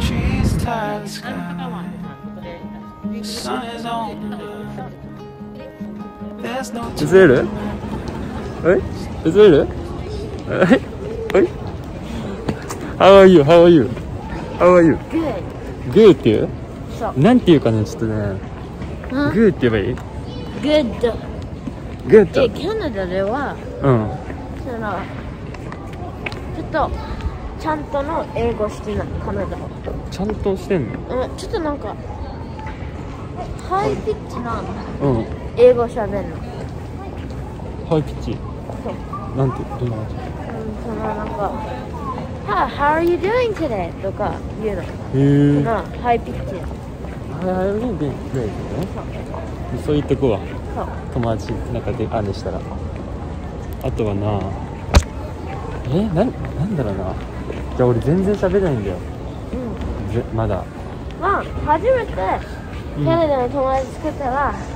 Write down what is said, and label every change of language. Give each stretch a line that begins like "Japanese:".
English: Trees tie the sky, sun is on the road.
Japanese: ズール？はい？ズール？はい？
English: はい？How are you? How are you? How are you? Good.
Japanese: Good っていう？そう。なんていうかな、ちょっとね。Good って言えばいい？
English: Good. Good.
Japanese: で、カナダでは、うん。その、ちょっと、ちゃんとの英語してない、カナダは。ちゃんとしてんの？うん、ちょっとなんか、ハイピッチな。うん。英語喋んの。ハイピッチ。そう。なんて、どんな感じ？
English: うん、そのなんか、はぁ、how are you doing today?
Japanese: とか言うの。へぇー。な、ハイピッチ。
English: はぁ、how are you doing today?
Japanese: そう。そう言ってこわ。そう。友達、なんかで、あれしたら。あとはなぁ、なんだろうなぁ。じゃあ俺全然喋れないんだよ。うん。まだ。まぁ、初めて、カナダの友達作ったら、